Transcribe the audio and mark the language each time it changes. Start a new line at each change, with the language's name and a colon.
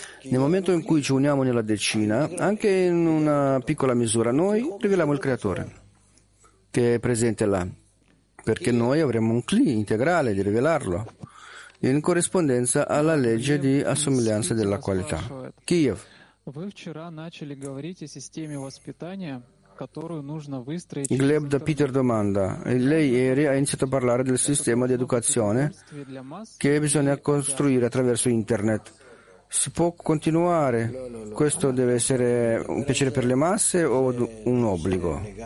Italian: Nel momento in cui ci uniamo nella decina, anche in una piccola misura, noi riveliamo il Creatore che è presente là, perché noi avremo un cli integrale di rivelarlo in corrispondenza alla legge di assomiglianza della qualità. Kiev.
Russian: Вы вчера начали говорить о системе воспитания, которую нужно выстроить.
Italian: Глеб да Питер доманда. Lei ieri ha iniziato a parlare del sistema di educazione che bisogna costruire attraverso internet. Si può continuare? Questo deve essere un piacere per le masse o un obbligo?